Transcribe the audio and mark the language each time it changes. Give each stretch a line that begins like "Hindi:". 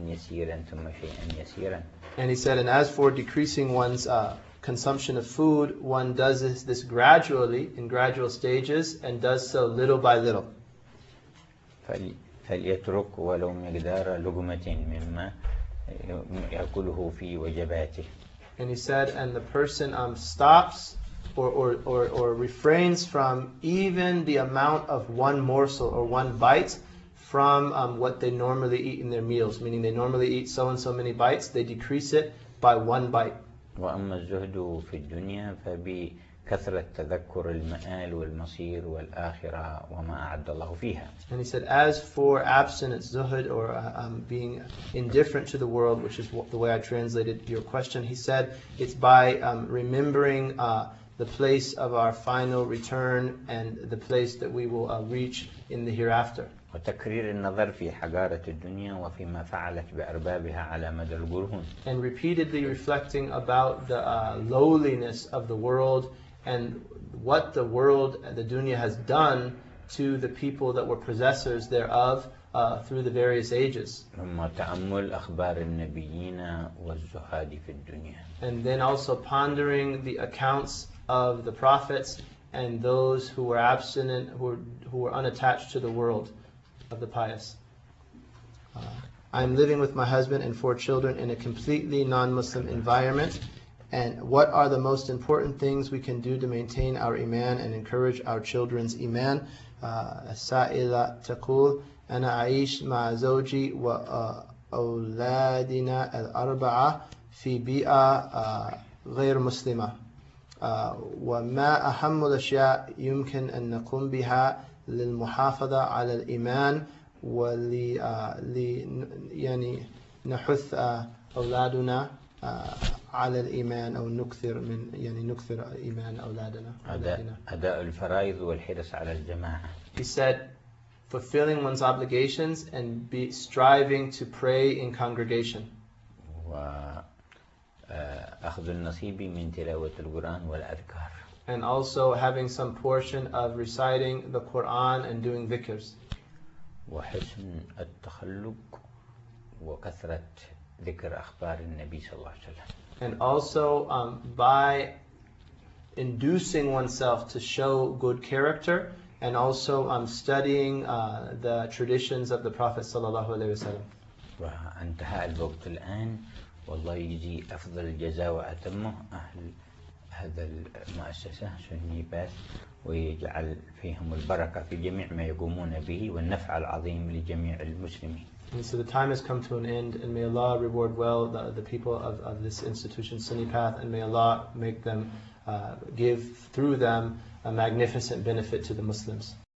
English: And he said, and as for decreasing one's consumption of food, one does this gradually, in gradual stages, and does so little by little.
Arabic: فليترك ولو مقدار لقمة مما يأكله في وجباته.
English: And he said, and the person stops or refrains from even the amount of one morsel or one bite from what they normally eat in their meals. Meaning they normally eat so and so many bites, they decrease it by one bite.
Arabic: وأما الزهد في الدنيا فبكثرة تذكر المآل والمصير والآخرة وما أعد الله فيها.
English: And he said, as for abstinence, zuhud, or being indifferent to the world, which is the way I translated your question, he said, it's by remembering the place of our final return and the place that we will reach in the hereafter.
Arabic: وتكرير النظر في حقارة الدنيا وفيما فعلت بأربابها على مدى القرون.
English: And repeatedly reflecting about the lowliness of the world and what the world, the dunya has done to the people that were possessors thereof through the various ages.
Arabic: ثم تأمل أخبار النبيين والزهاد في الدنيا.
English: And then also pondering the accounts of the prophets and those who were abstinent, who were unattached to the world. Of the pious. I am living with my husband and four children in a completely non-Muslim environment. And what are the most important things we can do to maintain our iman and encourage our children's iman?
Arabic: سائلة تقول أنا أعيش مع زوجي وأولادنا الأربعة في بيئة غير مسلمة. وما أهم الأشياء يمكن أن نقوم بها للمحافظة على الإيمان ولي يعني نحث أولادنا على الإيمان أو نكثر من يعني نكثر إيمان أولادنا أداء الفرائض والحرص على الجماعة.
English: He said, fulfilling one's obligations and be striving to pray in congregation.
Arabic: وأخذ النصيب من تلاوة القرآن والأذكار.
English: And also having some portion of reciting the Quran and doing dhikrs.
Arabic: وحسن التخلق وكثرة ذكر أخبار النبي صلى الله عليه وسلم.
English: And also by inducing oneself to show good character and also studying the traditions of the Prophet sallallahu alaihi wasallam.
Arabic: وانتهى الوقت الآن والله يجي أفضل الجزاء وأتمه أهل هذا المؤسسة سني بس ويجعل فيهم البركة في جميع ما يقومون به والنفع العظيم لجميع المسلمين.
English: And so the time has come to an end, and may Allah reward well the people of this institution, Sunni Path, and may Allah make them give through them a magnificent benefit to the Muslims.